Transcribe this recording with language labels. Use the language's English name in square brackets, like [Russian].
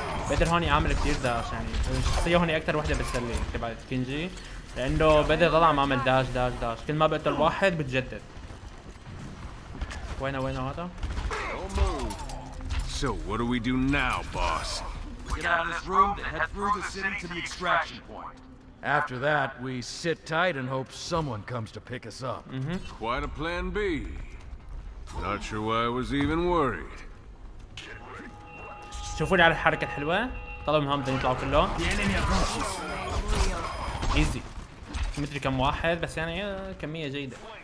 [Arabic] بقدر هون اعمل كثير داش، يعني الشخصية هون اكثر وحدة بتسلي تبعت كينجي، لانه بقدر اطلع اعمل داش داش داش، كل ما بقتل واحد بتجدد. وين هذا؟ [English] So what do we do now, boss? We get out of this room and head through the city to the extraction point. After that, we sit tight and hope someone comes to pick us up. Mm-hmm. Quite a plan B. Not sure why I was even worried. [Arabic] شوفوا لي على الحركة الحلوة. طلعوا منهم بدهم يطلعوا كلهم. [English] Easy. [Arabic] مدري كم واحد، بس يعني كمية جيدة.